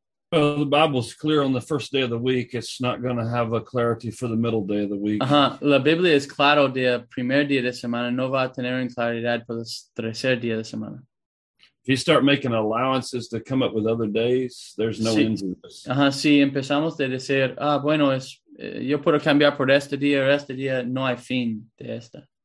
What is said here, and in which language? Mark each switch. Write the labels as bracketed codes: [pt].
[en] Well, the Bible's clear on the first day of the week. It's not going to have a clarity for the middle day of the week. Uh-huh. [es] La Biblia es claro día primer día de semana. No va a tener claridad por el tercer día de semana. [en] If you start making allowances to come up with other days, there's no end to this. Uh-huh. [es] Si empezamos de decir, bueno, yo puedo cambiar por este día, no hay fin de esta.